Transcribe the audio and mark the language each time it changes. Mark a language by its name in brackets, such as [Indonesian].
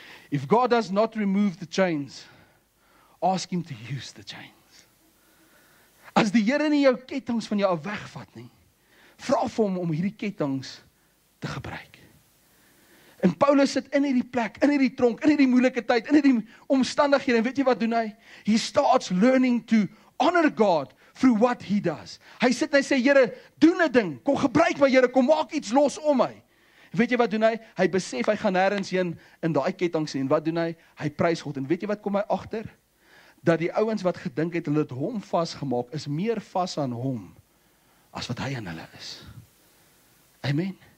[English] If God does not remove the chains, ask him to use the chains. [Afrikaans] As die Here nie jou kettings van jou af wegvat nie, vra vir hom om hierdie kettings te gebruik. En Paulus sit in hierdie plek, in hierdie tronk, in hierdie moeilike tyd, in hierdie omstandighede, en weet jy wat doen hy? [English] He starts learning to honor God through what he does. [Afrikaans] Hy sit en hy sê, Here, doen 'n ding, kom gebruik my, Here, kom maak iets los om my. Weet jy wat doen hy? Hy besef hy gaan nêrens heen in daai kettings nie. En wat doen hy? Hy prys God. En weet jy wat kom hy agter? Dat die ouens wat gedink het, hulle het hom vasgemaak, is meer vas aan hom, as wat hy aan hulle is. Amen.